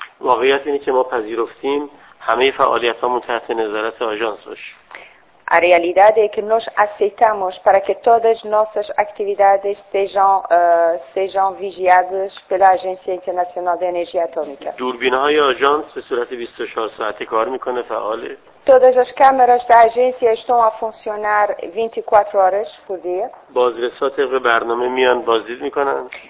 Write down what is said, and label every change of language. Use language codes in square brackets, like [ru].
[fa] واقعیت اینه که ما پذیرفتیم همه فعالیت‌هامون تحت نظارت آژانس باشه. [pt] A realidade é que nós aceitamos para que todas as nossas atividades sejam vigiadas pela Agência Internacional de Energia Atômica. [fa] دوربین‌های آژانس به صورت 24 ساعته کار می‌کنه فعال. [pt] Todas as câmeras da agência estão a funcionar 24 horas por dia. [fa] بازرسات برنامه میان بازدید می‌کنن.